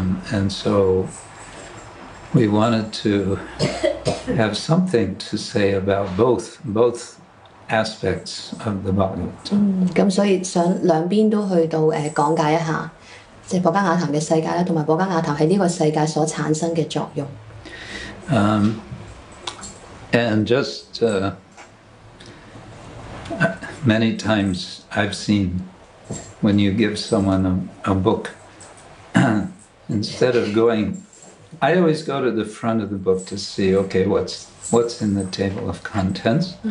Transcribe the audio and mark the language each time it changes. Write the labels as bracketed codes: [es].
[en] And so we wanted to have something to say about both aspects of the body. [yue] 咁所以想兩邊都去到講解一下，即係博加瓦談嘅世界咧，同埋博加瓦談喺呢個世界所產生嘅作用。 [en] And just many times I've seen when you give someone a book, instead of going, I always go to the front of the book to see, okay, what's in the table of contents.